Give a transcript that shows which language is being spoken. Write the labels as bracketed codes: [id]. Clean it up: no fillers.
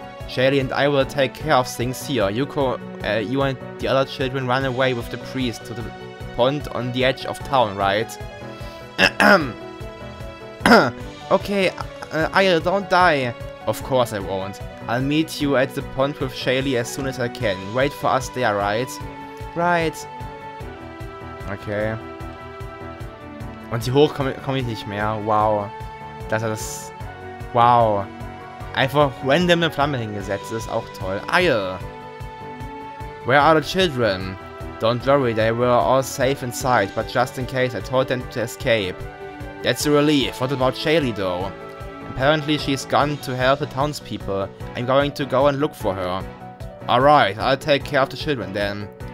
[en] Shaylee and I will take care of things here. You and the other children run away with the priest to the pond on the edge of town, right? Okay, Aya, don't die. Of course I won't. I'll meet you at the pond with Shaylee as soon as I can. Wait for us there, right? Right. [de] Okay. Und hier hoch komme ich nicht mehr. Wow. dass das... Wow. Einfach random eine Flamme hingesetzt, ist auch toll. [en] Eil! Where are the children? Don't worry, they were all safe inside, but just in case I told them to escape. That's a relief. What about Shaylee, though? Apparently she's gone to help the townspeople. I'm going to go and look for her. Alright, I'll take care of the children then.